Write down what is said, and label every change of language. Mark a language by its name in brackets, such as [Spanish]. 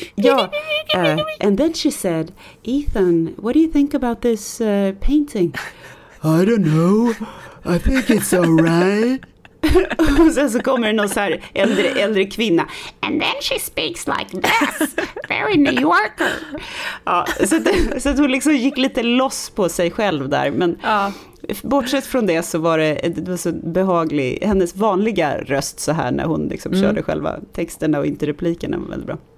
[Swedish] Ja, [English] and then she said, Ethan, what do you think about this painting? I don't know, I think it's all right. [Swedish] Och sen så kommer någon så här äldre kvinna. [English] And then she speaks like this, very New Yorker. [Swedish] Ja, så att hon liksom gick lite loss på sig själv där. Men ja, bortsett från det så var det så behaglig, hennes vanliga röst så här när hon liksom körde själva texterna och inte replikerna var väldigt bra.